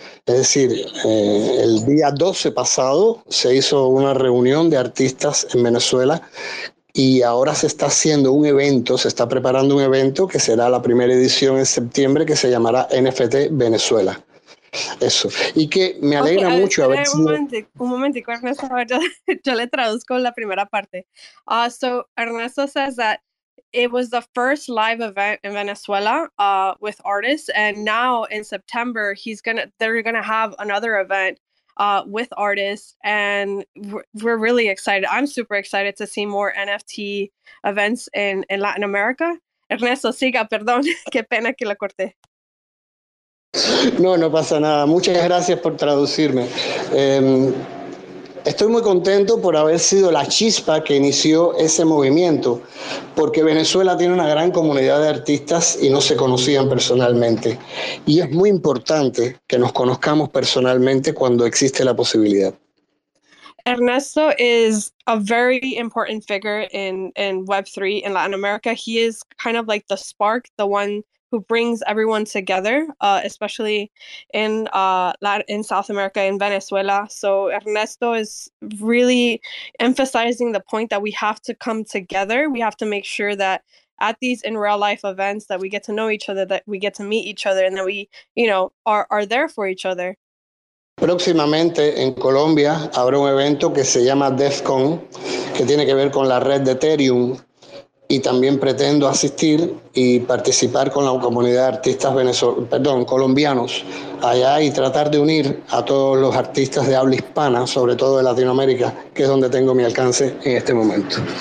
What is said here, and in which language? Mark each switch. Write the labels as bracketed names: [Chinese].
[Spanish] Es decir, el día 12 pasado se hizo una reunión de artistas en Venezuela y ahora se está haciendo un evento, se está preparando un evento que será la primera edición en septiembre que se llamará NFT Venezuela. Eso. Y que me alegra okay, mucho haber sido... Un momentico, Ernesto, yo le traduzco la primera parte. [English] So Ernesto says that it was the first live event in Venezuela with artists, and now in September they're gonna have another event with artists, and we're really excited. I'm super excited to see more NFT events in Latin America. [Spanish] Ernesto, siga, perdón, qué pena que lo corté. No pasa nada. Muchas gracias por traducirme. Estoy muy contento por haber sido la chispa que inició ese movimiento, porque Venezuela tiene una gran comunidad de artistas y no se conocían personalmente. Y es muy importante que nos conozcamos personalmente cuando existe la posibilidad. [English] Ernesto is a very important figure in Web3 in Latin America. He is kind of like the spark, the one who brings everyone together, especially in South America, in Venezuela. So Ernesto is really emphasizing the point that we have to come together. We have to make sure that at these in real life events that we get to know each other, that we get to meet each other, and that we, you know, are there for each other. [Spanish] Próximamente en Colombia habrá un evento que se llama DEFCON, que tiene que ver con la red de Ethereum. Y también pretendo asistir y participar con la comunidad de artistas colombianos allá y tratar de unir a todos los artistas de habla hispana, sobre todo de Latinoamérica, que es donde tengo mi alcance en este momento.